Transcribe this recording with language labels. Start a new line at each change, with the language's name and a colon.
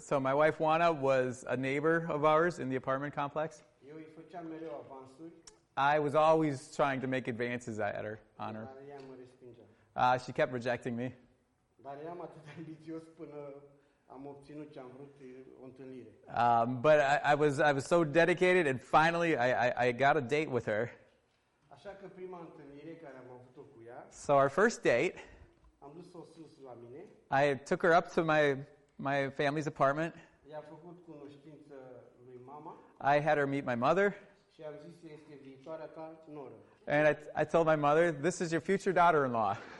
English: So my wife Juana was a neighbor of ours in the apartment complex.
Romanian: Eu îi făceam mereu avansuri.
English: I was always trying to make advances at her, on her.
Romanian: Dar ea mă respingea.
English: She kept rejecting me.
Romanian: Dar eram atât de ambițios până am obținut ce am vrut, o întâlnire.
English: But I was so dedicated and finally I got a date with her.
Romanian: Așa că prima întâlnire care am avut-o cu ea.
English: So our first date.
Romanian: Am dus-o sus la mine.
English: I took her up to my family's apartment.
Romanian: I-a făcut cunoștință lui mama.
English: I had her meet my mother.
Romanian: Și am zis, este viitoarea ta noră.
English: And I told my mother, this is your future daughter-in-law.